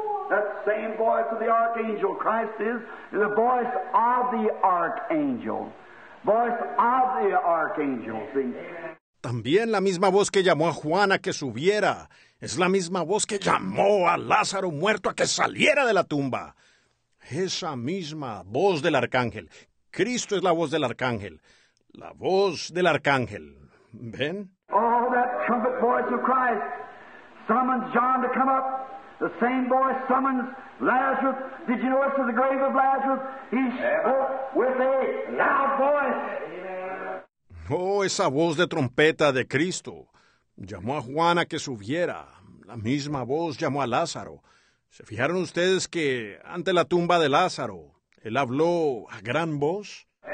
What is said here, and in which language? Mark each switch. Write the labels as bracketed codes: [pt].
[en] That same voice of the archangel Christ is the voice of the archangel. Voice of the archangel. See? [es] También la misma voz que llamó a Juan a que subiera es la misma voz que llamó a Lázaro muerto a que saliera de la tumba. Esa misma voz del arcángel. Cristo es la voz del arcángel. La voz del arcángel. ¿Ven? [en] Oh, that trumpet voice of Christ summons John to come up. The same voice summons Lazarus. Did you notice to the grave of Lazarus? He spoke with a loud voice. [es] Oh, esa voz de trompeta de Cristo. Llamó a Juana que subiera. La misma voz llamó a Lázaro. ¿Se fijaron ustedes que ante la tumba de Lázaro, él habló a gran voz?